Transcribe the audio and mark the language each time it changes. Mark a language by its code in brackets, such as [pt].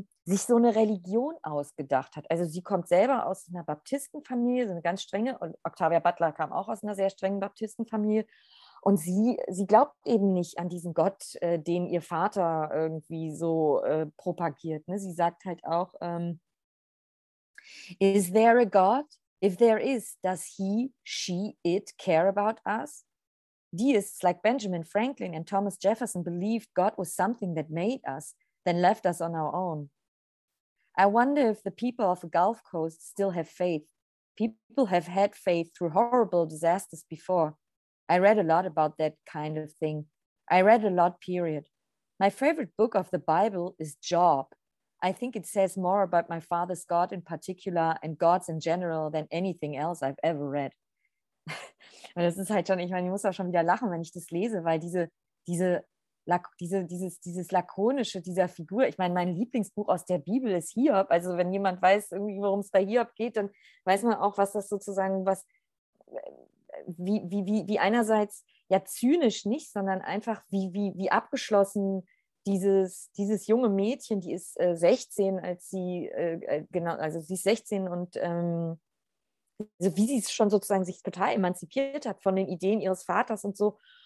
[de] sich so eine Religion ausgedacht hat. Also sie kommt selber aus einer Baptistenfamilie, so eine ganz strenge, und Octavia Butler kam auch aus einer sehr strengen Baptistenfamilie. Und sie glaubt eben nicht an diesen Gott, den ihr Vater irgendwie so propagiert. Ne? Sie sagt halt auch, [en] is there a God? If there is, does he, she, it care about us? Deists like Benjamin Franklin and Thomas Jefferson believed God was something that made us, then left us on our own. I wonder if the people of the Gulf Coast still have faith. People have had faith through horrible disasters before. I read a lot about that kind of thing. I read a lot, period. My favorite book of the Bible is Job. I think it says more about my father's God in particular and gods in general than anything else I've ever read. [de] Und das ist halt schon, ich meine, ich muss auch schon wieder lachen, wenn ich das lese, weil dieses Lakonische dieser Figur, ich meine, mein Lieblingsbuch aus der Bibel ist Hiob. Also wenn jemand weiß, irgendwie, worum es bei Hiob geht, dann weiß man auch, was das sozusagen, was wie einerseits ja zynisch nicht, sondern einfach wie abgeschlossen dieses junge Mädchen, die ist 16, als sie genau, also sie ist 16 und also wie sie schon sozusagen sich total emanzipiert hat von den Ideen ihres Vaters und so.